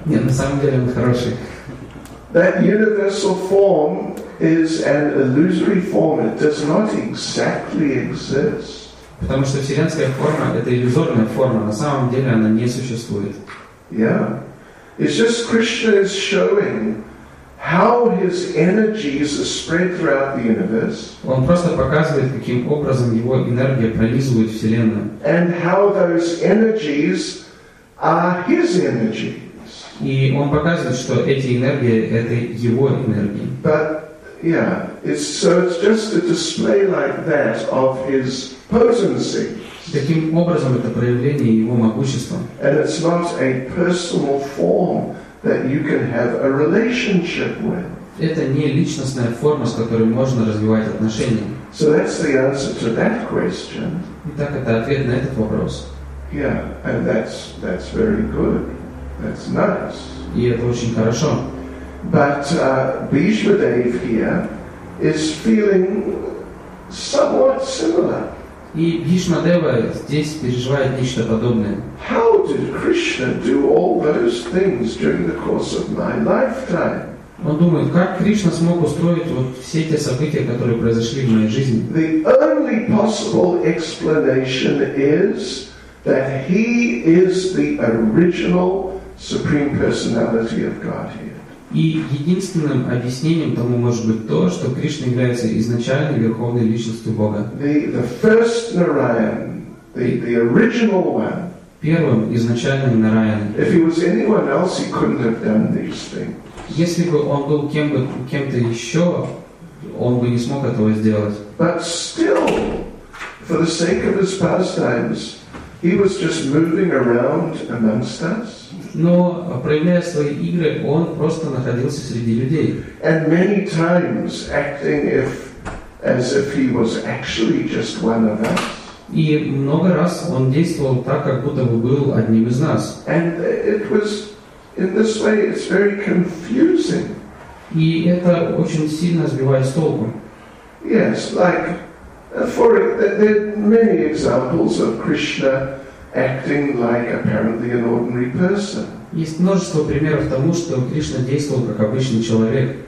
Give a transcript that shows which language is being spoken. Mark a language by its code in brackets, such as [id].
[ru] Нет, на самом деле он хороший. [en] That universal form is an illusory form. It does not exactly exist. [ru] Потому что вселенская форма — это иллюзорная форма. На самом деле она не существует. [en] Yeah. It's just Krishna is showing how his energies are spread throughout the universe. [ru] Он просто показывает, каким образом его энергия пронизывает вселенную. [en] And how those energies are his energies. [ru] И он показывает, что эти энергии — это его энергии. [en] But, yeah, it's, so it's just a display like that of his potency. [ru] Таким образом, это проявление его могущества. [en] And it's not a personal form that you can have a relationship with. [ru] Это не личностная форма, с которой можно развивать отношения. [en] So that's the answer to that question. [ru] Итак, это ответ на этот вопрос. [en] Yeah, and that's very good. That's nice. [ru] И это очень хорошо. [en] But Bhishma Dev here is feeling somewhat similar. [ru] И Бхишма Дева здесь переживает нечто подобное. [en] How did Krishna do all those things during the course of my lifetime? [ru] Он думает, как Кришна смог устроить вот все те события, которые произошли в моей жизни? [en] The only possible explanation is that he is the original Supreme Personality of Godhead. [ru] И единственным объяснением тому может быть то, что Кришна является изначальной верховной личностью Бога. [en] The first Narayan, the original one. [ru] Первым изначальным Нараян. [en] If he was anyone else, he couldn't have done these things. [ru] Если бы он был кем-то еще, он бы не смог этого сделать. [en] But still, for the sake of his pastimes, he was just moving around amongst us. [ru] Но, проявляя свои игры, он просто находился среди людей. [en] And many times acting as if he was actually just one of us. [ru] И много раз он действовал так, как будто бы был одним из нас. [en] And it was, in this way, it's very confusing. [ru] И это очень сильно сбивает с толку. [en] Yes, like, for there are many examples of Krishna acting like apparently an ordinary person. [ru] Есть множество примеров тому, что Кришна действовал как обычный человек.